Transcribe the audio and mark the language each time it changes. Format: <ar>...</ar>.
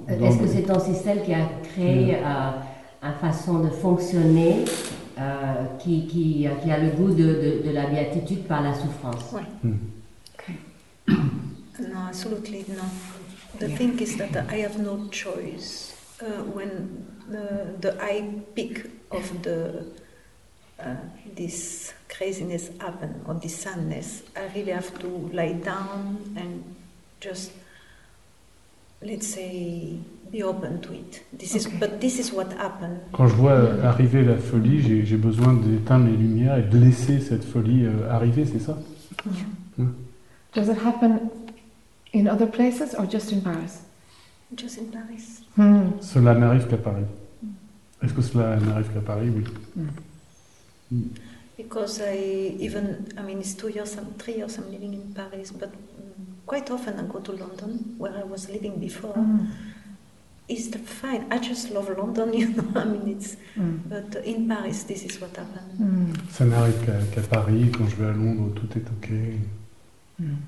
<fr>Est-ce que c'est ton système qui a créé une façon de fonctionner qui a le goût de la béatitude par la souffrance? Oui. Non, absolument non.</fr> <en>The thing is that I have no choice when the I pick of the this craziness happen or this sadness, I really have to lie down and just, let's say, be open to it. But this is what happened.</en> <fr>Quand je vois arriver la folie, j'ai besoin d'éteindre les lumières et de laisser cette folie arriver, c'est ça?</fr> <en>Yeah. Does it happen in other places or just in Paris? Just in Paris.</en> <fr>Cela n'arrive qu'à Paris. Est-ce que cela n'arrive qu'à Paris? Oui.</fr> <en>Because I mean it's 2 years, 3 years I'm living in Paris, but quite often I go to London where I was living before. It's the fine. I just love London, you know. I mean it's but in Paris this is what happened.</en> <fr>Ça n'arrive qu'à Paris, quand je vais à Londres tout est ok.</fr>